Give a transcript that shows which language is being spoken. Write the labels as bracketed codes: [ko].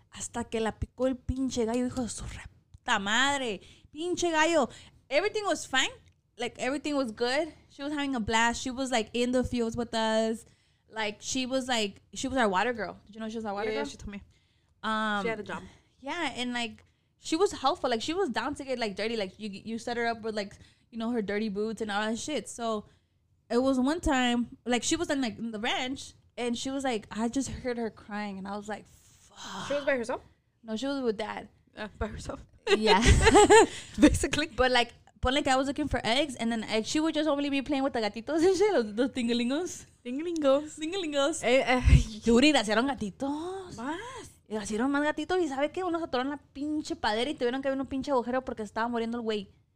[es] Hasta que la picó el pinche gallo, hijo de su reta madre. Pinche gallo. [en] Everything was fine. Like, everything was good. She was having a blast. She was, like, in the fields with us. Like, she was our water girl. Did you know she was our water girl? Yeah, she told me. She had a job. Yeah, and, like, she was helpful. Like, she was down to get, like, dirty. Like, you set her up with, like, you know, her dirty boots and all that shit. So, it was one time, like, she was in, like, in the ranch. And she was, like, I just heard her crying. And I was, like, fuck. She was by herself? No, she was with dad. By herself? Yeah. Basically. But, like... But, like, I was looking for eggs, and then like, she would just only be playing with the gatitos and shit, the tingalingos. Tingalingos. [es] Yuri, nacieron gatitos. Más. Y nacieron más gatitos, y ¿sabe qué? Unos atoraron la pinche padera y tuvieron que haber un pinche agujero porque estaba muriendo el güey.